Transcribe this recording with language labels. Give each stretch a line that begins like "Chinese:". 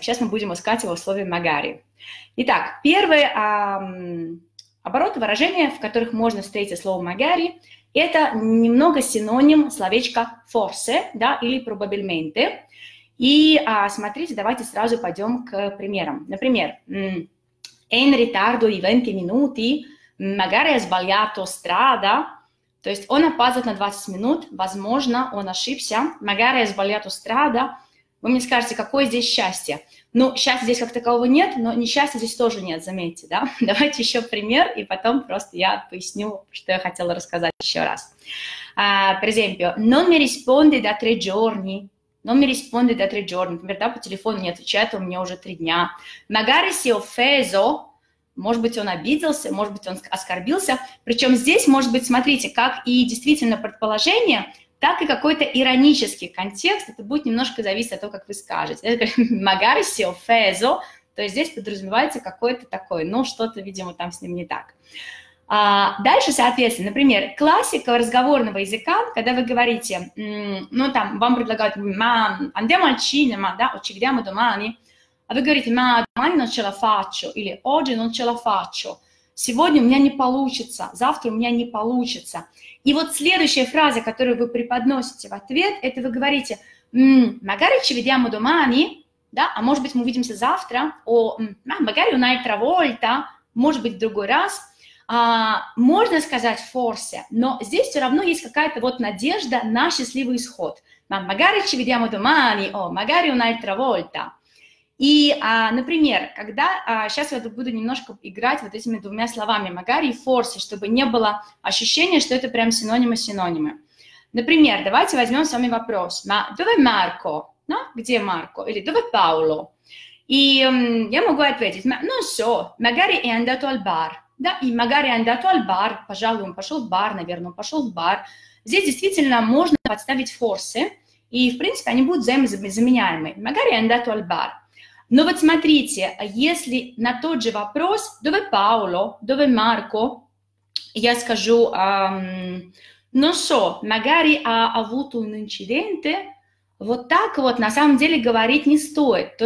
Russian: Сейчас мы будем искать его в слове магари. Итак, первый оборот, выражения, в которых можно встретить слово «magari», это немного синоним словечка «forse», да, или «probabilmente». И смотрите, давайте сразу пойдем к примерам.
Italian: Например, «in ritardo di 20 minuti, magari ha sbagliato strada».
Russian: То есть он опаздывает на 20 минут, возможно, он ошибся.
Italian: «Magari ha sbagliato strada».
Russian: Вы мне скажете, какое здесь счастье? Ну, счастья здесь как такового нет, но несчастья здесь тоже нет, заметьте, да? Давайте еще пример, и потом просто я поясню, что я хотела рассказать еще раз.
Italian: Per esempio, non mi risponde da 3 giorni. Non mi risponde da 3 giorni.
Russian: Например, да, по телефону не отвечает, у меня уже 3 дня.
Italian: Magari si è offeso.
Russian: Может быть, он обиделся, может быть, он оскорбился. Причем здесь, может быть, смотрите, как и действительно предположение, так и какой-то иронический контекст, это будет немножко зависеть от того, как вы скажете. Я говорю,
Italian: magari si è offeso,
Russian: то есть здесь подразумевается какое-то такое, ну, что-то, видимо, там с ним не так. Дальше, соответственно, например, классика разговорного языка, когда вы говорите, ну, там, вам предлагают,
Italian: ma andiamo al cinema,
Russian: да,
Italian: o ci vediamo domani,
Russian: а вы говорите,
Italian: ma domani non ce la faccio,
Russian: или
Italian: oggi non ce la faccio.
Russian: Сегодня у меня не получится, завтра у меня не получится. И вот следующая фраза, которую вы преподносите в ответ, это вы говорите
Italian: magari ci vediamo domani,
Russian: да? А может быть, мы увидимся завтра, о,
Italian: magari un'altra volta,
Russian: может быть, в другой раз. Можно сказать forse, но здесь все равно есть какая-то вот надежда на счастливый исход.
Italian: Magari ci vediamo domani, о, magari un'altra volta.
Russian: И, например, сейчас я буду немножко играть вот этими 2 словами «magari» и «forse», чтобы не было ощущения, что это прям синонимы-синонимы. Например, давайте возьмем с вами вопрос.
Italian: «Dove Marco?» No?
Russian: «Где Марко?»
Italian: или «Dove Paolo?»
Russian: И я могу ответить.
Italian: «Non so, magari è andato al bar».
Russian: Да? И
Italian: «magari è andato al bar»,
Russian: пожалуй, он пошел в бар, наверное, он пошел в бар. Здесь действительно можно подставить «forse», и, в принципе, они будут взаимозаменяемы.
Italian: «Magari è andato al bar».
Russian: Но вот смотрите, если на тот же вопрос
Italian: «Dove Paolo?», «Dove Marco?»,
Russian: я скажу
Italian: «Non so, magari ha avuto un incidente?»,
Russian: вот так вот на самом деле говорить не стоит.